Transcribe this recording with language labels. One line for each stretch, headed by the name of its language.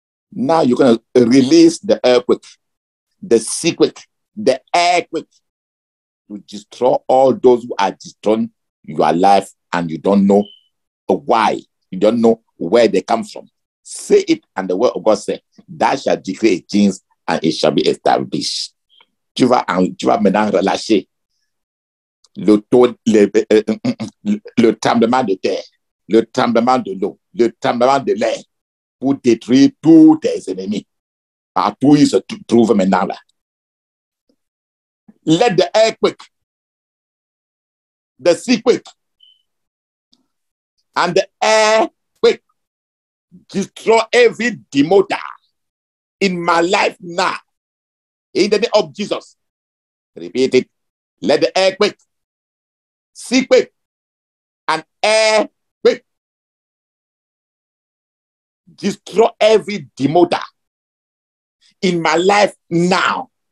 English: Now you're going to release the earthquake, the earthquake to destroy all those who are destroying your life and you don't know why, you don't know where they come from. Say it and the word of God said, that shall decree things and it shall be established.
French: Tu vas maintenant relâcher le tremblement de terre, le tremblement de l'eau, le tremblement de l'air pour détruire tous tes ennemis. Partout ils se trouvent maintenant là.
English: Let the earthquake, the seaquake, and the airquake destroy every demoter in my life now. In the name of Jesus. Repeat it. Let the earthquake, seaquake, and airquake destroy every demoter in my life now.